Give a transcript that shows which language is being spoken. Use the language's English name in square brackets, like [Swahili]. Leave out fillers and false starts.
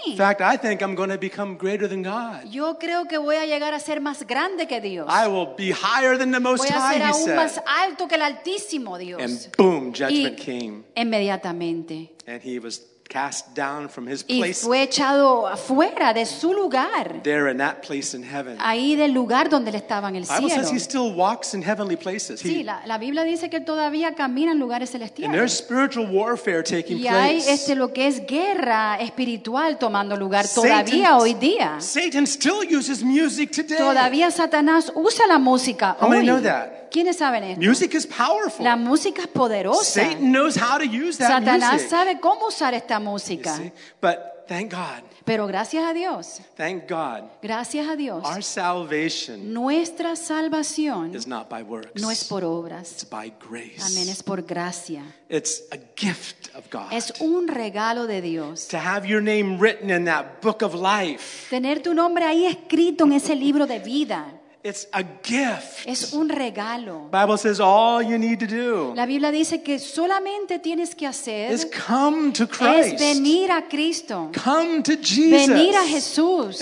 [English] In fact, I think I'm going to become greater than God. [Spanish] Yo creo que voy a llegar a ser más grande que Dios. [English] I will be higher than the Most High, he said. [Spanish] Voy a ser aún más alto que el Altísimo, Dios. [English] And boom, judgment came. [Spanish] Inmediatamente. [English] And he was cast down from his place. [Spanish] Y fue echado afuera de su lugar. [English] There in that place in heaven. [Spanish] Ahí del lugar donde él estaba en el cielo. [English] Bible says he still walks in heavenly places. [Spanish] Sí, la Biblia dice que él todavía camina en lugares celestiales. [English] And there's spiritual warfare taking place. [Spanish] Y hay lo que es guerra espiritual tomando lugar todavía [English] Satan, [Spanish] hoy día. [English] Satan still uses music today. [Spanish] Todavía Satanás usa la música hoy. [English] How many know that? [Spanish] ¿Quiénes saben esto? [English] Music is powerful. [Spanish] La música es poderosa. [English] Satan knows how to use that [Spanish] Satanás [English] music. [Spanish] Sabe cómo usar esta música. [English] But thank God. [Spanish] Pero gracias a Dios. [English] Thank God. [Spanish] Gracias a Dios. [English] Our salvation. [Spanish] Nuestra salvación. [English] Is not by works. [Spanish] No es por obras. [English] It's by grace. [Spanish] Amén. Es por gracia. [English] It's a gift of God. [Spanish] Es un regalo de Dios. [English] To have your name written in that book of life. [Spanish] Tener tu nombre ahí escrito en ese libro de vida. [English] It's a gift. [Spanish] Es un regalo. [English] Bible says all you need to do. [Spanish] La Biblia dice que solamente tienes que hacer. [English] Is come to Christ. [Spanish] Es venir a Cristo. [English] Come to Jesus. [Spanish] Venir a Jesús.